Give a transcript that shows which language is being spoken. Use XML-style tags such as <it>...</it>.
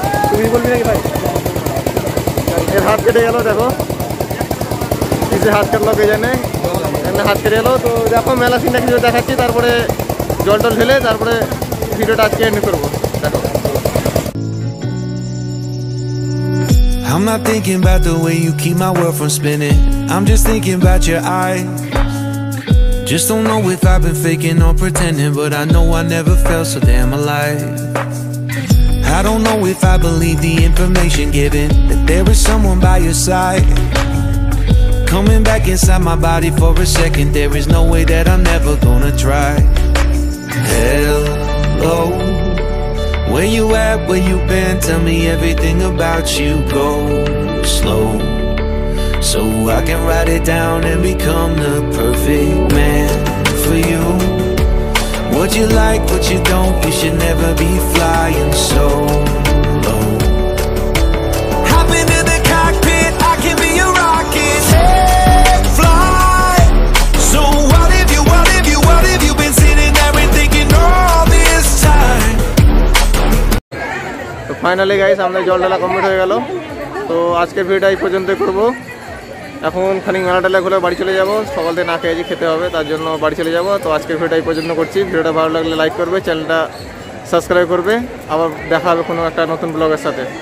<bn>তুমি বলবি নাকি ভাই, এর হাত কেটে গেলো, দেখো কিছু হাত কাটলো কে জানে, এমনি হাত কেটে গেলো, তো দেখো মেলা সিনটা কিছু দেখাচ্ছি, তারপরে জল টল ফেলে তারপরে ভিডিওটা আজকে এন্ড করবো, দেখো।</bn> <en>I'm not thinking about the way you keep my world from spinning, I'm just thinking about your eyes, just don't know if I've been faking or pretending, but I know I never felt so damn alive. I don't know if I believe the information given, that there is someone by your side. Coming back inside my body for a second, there is no way that I'm never gonna try. Hello, where you at, where you been, tell me everything about you. Go slow, so I can write it down and become the perfect man for you. What you like, what you don't, you should never be flying so low. Hop into the cockpit, I can be your rocket. Hey, fly. So what if you, what if you, what if you been sitting there and thinking all this time? So finally guys,</en> <bn>আমরা জল ঢালা complete হয়ে গেল, তো আজকের ভিডিওটা এই পর্যন্তই করব, এখন খানিক মেলা টেলা ঘুরে বাড়ি চলে যাবো, সকাল থেকে না খেয়ে যে খেতে হবে, তার জন্য বাড়ি চলে যাবো, তো আজকের ভিডিওটা এই পর্যন্ত করছি, ভিডিওটা ভালো লাগলে লাইক করবে, চ্যানেলটা সাবস্ক্রাইব করবে, আবার দেখা হবে কোনো একটা নতুন ব্লগের সাথে,</bn>